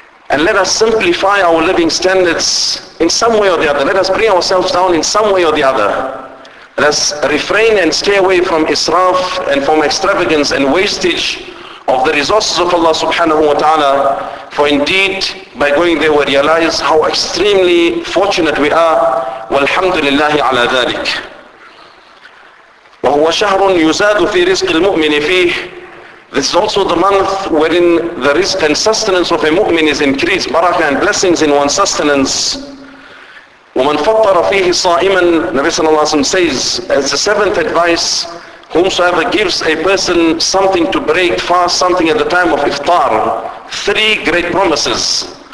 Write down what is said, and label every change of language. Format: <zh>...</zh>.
<en>And let us simplify our living standards in some way or the other. Let us bring ourselves down in some way or the other. Let us refrain and stay away from israf and from extravagance and wastage of the resources of Allah subhanahu wa ta'ala. For indeed, by going there, we realize how extremely fortunate we are.</en> <ar>Walhamdulillahi ala dhalik. وهو شهر يزاد في رزق المؤمن فيه.</ar> <en>This is also the month wherein the risk and sustenance of a mu'min is increased, barakah and blessings in one's sustenance.</en> <ar>ومن فطر فيه صائما,</ar> <en>Nabi sallallahu alayhi wa sallam says, as the seventh advice, whomsoever gives a person something to break, fast something at the time of iftar, three great promises.</en>